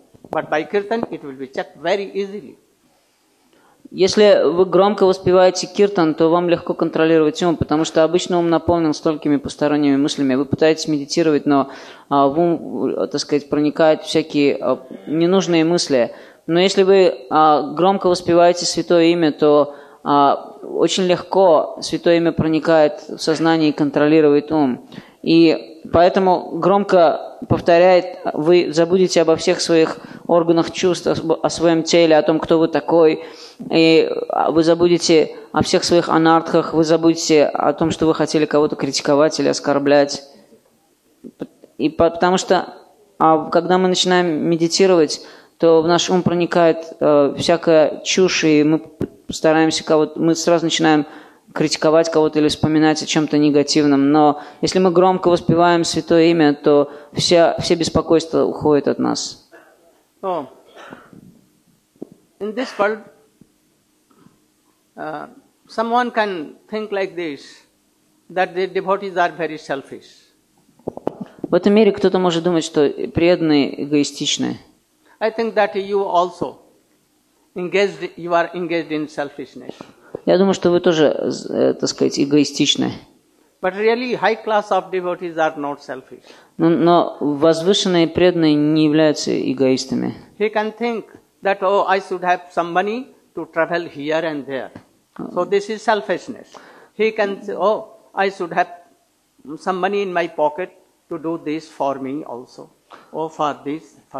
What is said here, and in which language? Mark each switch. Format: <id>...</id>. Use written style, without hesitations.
<en>But by kirtan, it will be checked very easily.</en> <ru>Если вы громко воспеваете киртан, то вам легко контролировать ум, потому что обычно ум наполнен столькими посторонними мыслями. Вы пытаетесь медитировать, но в ум, так сказать, проникают всякие ненужные мысли. Но если вы громко воспеваете святое имя, то очень легко святое имя проникает в сознание и контролирует ум. И поэтому громко повторяет, вы забудете обо всех своих органах чувств, о своем теле, о том, кто вы такой. И вы забудете о всех своих анартхах, вы забудете о том, что вы хотели кого-то критиковать или оскорблять. И потому что, когда мы начинаем медитировать, то в наш ум проникает всякая чушь, и мы стараемся кого-то, мы сразу начинаем критиковать кого-то или вспоминать о чем-то негативном. Но если мы громко воспеваем святое имя, то все беспокойства уходят от нас.</ru> <en>In this world, someone can think like this, that the devotees are very selfish.</en> <ru>В этом мире кто-то может думать, что преданные эгоистичны.</ru> <en>I think that you also engaged, you are engaged in selfishness.</en> <ru>Я думаю, что вы тоже, так сказать, эгоистичны.</ru> <en>But really, high class of devotees are not selfish.</en> <ru>Но возвышенные преданные не являются эгоистами.</ru> <en>He can think that, oh, I should have some money to travel here and there. So this is selfishness. He can say, oh, I should have some money in my pocket to do this for me also. Oh, for this.</en>